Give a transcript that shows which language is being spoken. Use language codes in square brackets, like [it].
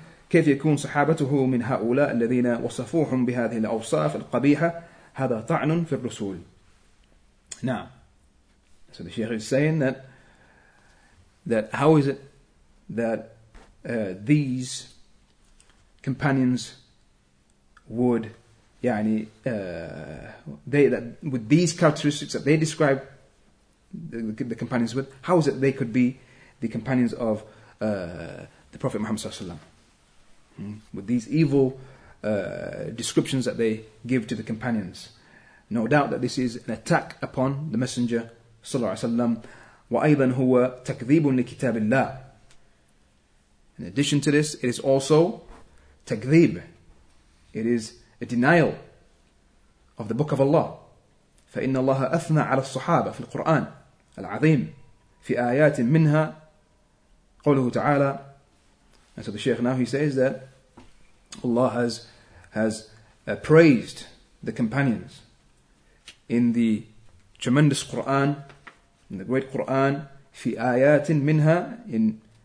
[ar] كيف يكون صحابته من هؤلاء الذين وصفوهم بهذه الأوصاف القبيحة؟ هذا طعن في الرسول. نعم. [en] So the Sheikh is saying that how is it that these companions would يعني they that with these characteristics that they describe the companions with, how is it they could be the companions of the Prophet Muhammad sallallahu alaihi wasallam with these evil descriptions that they give to the companions? No doubt that this is an attack upon the Messenger sallallahu alaihi wasallam. [ar] وأيضا هو تكذيب لكتاب الله. [en] In addition to this, it is also تكذيب. It is a denial of the Book of Allah. [ar] فإن الله أثنى على الصحابة في القرآن العظيم في آيات منها قوله تعالى. [en] And so the Sheikh now, he says that Allah has praised the companions in the tremendous Quran, in the great Quran, [ar] في آيات منها, [en] in